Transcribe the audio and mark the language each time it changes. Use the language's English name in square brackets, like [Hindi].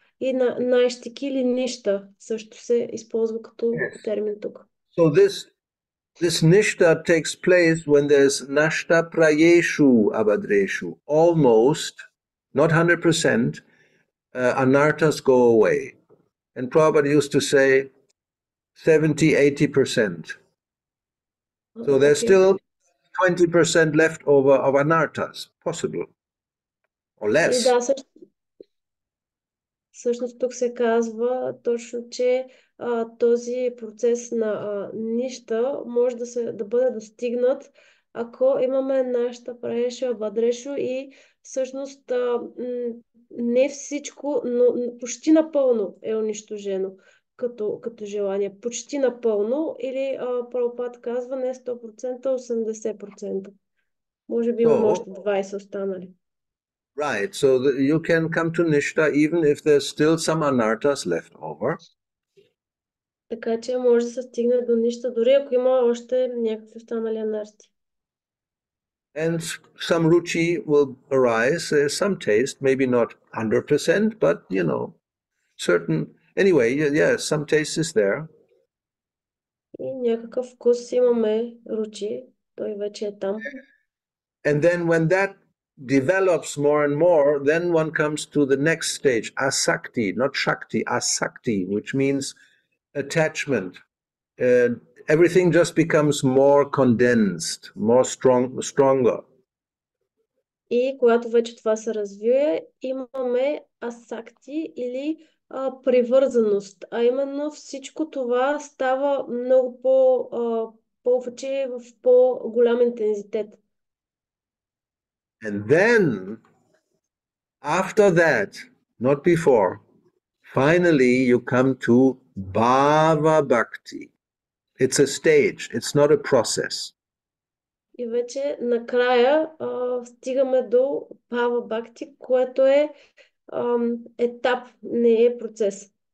[Bulgarian] И на наистики или ништа също се използва като термин тук. [English] So this nishta takes place when there's nashta prayeshu abhadreshu, almost, not 100%, anarthas go away. And Prabhupada used to say 70-80%. So okay. There's still 20% left over of anarthas, possible, or less. [Bulgarian] Всъщност тук се казва точно, че този процес на нища може да бъде достигнат, ако имаме нашата прайеша бъдрешо и всъщност не всичко, но почти напълно е унищожено като желание. Почти напълно или Прабхупад казва не 100%, 80%. Може би има още 20 останали. [English] Right, so you can come to Nishta even if there's still some anarthas left over. [Bulgarian] Така че може да се стигне до Ништа, дори ако има още някакви останали анарти. [English] And some ruchi will arise, some taste, maybe not 100%, but you know, certain. Anyway, yes, some taste is there. [Bulgarian] И някакъв вкус имаме, ruchi, той вече е там. [English] And then when that develops more and more, then one comes to the next stage, asakti, not shakti, asakti, which means attachment. Everything just becomes more condensed, more stronger. [Bulgarian] И когато вече това се развие, имаме асакти или привързаност, а именно всичко това става много повече в по-голям интензитет. [English] And then, after that, not before, finally you come to Bhava Bhakti. It's a stage, it's not a process. [Bulgarian] И вече накрая стигаме до Bhava Bhakti, което е етап, не е процес.